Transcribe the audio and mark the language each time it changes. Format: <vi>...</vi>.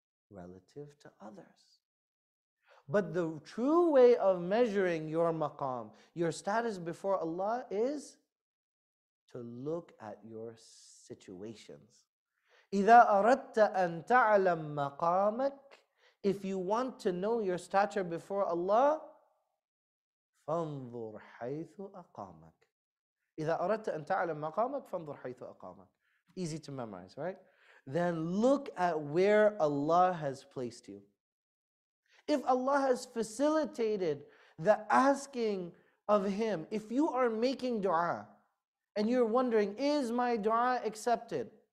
<en>Relative to others. But the true way of measuring your maqam, your status before Allah, is to look at your situations.</en> <ar>إِذَا أَرَدْتَ أَن تَعْلَمْ مَقَامَكَ.</ar> <en>If you want to know your stature before Allah,</en> <ar>فَانْظُرْ حَيْثُ أَقَامَكَ. إِذَا أَرَدْتَ أَن تَعْلَمْ مَقَامَكَ فَانْظُرْ حَيْثُ أَقَامَكَ.</ar> <en>Easy to memorize, right? Then look at where Allah has placed you. If Allah has facilitated the asking of Him, if you are making dua and you're wondering, is my dua accepted?</en>